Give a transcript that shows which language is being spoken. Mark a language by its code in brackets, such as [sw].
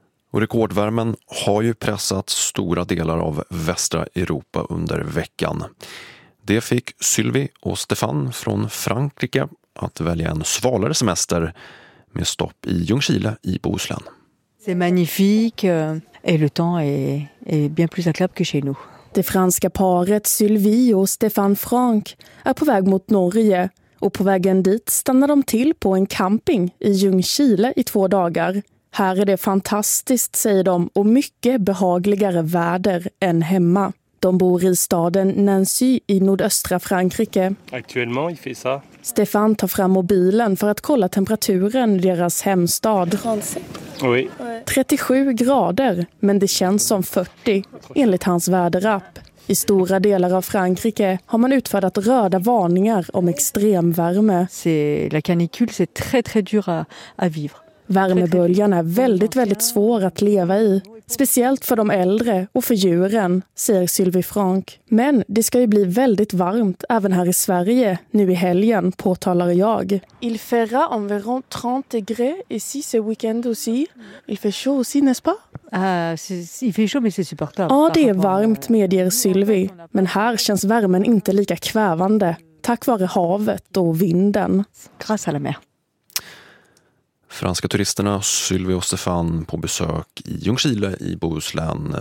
[sv] Och rekordvärmen har ju pressat stora delar av västra Europa under veckan. Det fick Sylvie och Stefan från Frankrike att välja en svalare semester med stopp i Ljungskile i Bohuslän. [fr] C'est magnifique et le temps est bien plus agréable que chez nous. [sv] Det franska paret Sylvie och Stefan Frank är på väg mot Norge, och på vägen dit stannar de till på en camping i Ljungskile i 2 dagar. Här är det fantastiskt, säger de, och mycket behagligare väder än hemma. De bor i staden Nancy i nordöstra Frankrike. [fr] Actuellement, il fait ça. [sv] Stefan tar fram mobilen för att kolla temperaturen i deras hemstad. [fr] Oui. [sv] 37 grader, men det känns som 40, enligt hans väderapp. I stora delar av Frankrike har man utfärdat röda varningar om extremvärme. [fr] La canicule, c'est très très dur à vivre. [sv] Värmeböljan är väldigt, väldigt svår att leva i, speciellt för de äldre och för djuren, säger Sylvie Frank. Men det ska ju bli väldigt varmt även här i Sverige nu i helgen, påtalar jag. [fr] Il fera environ 30 degrés ici ce weekend aussi. Il fait chaud aussi, n'est-ce pas? [sv] Ja, det är varmt, medger Sylvie, men här känns värmen inte lika kvävande, tack vare havet och vinden. [fr] Grâce à la mer. [sv] Franska turisterna Sylvie och Stefan på besök i Ljungskile i Bohuslän.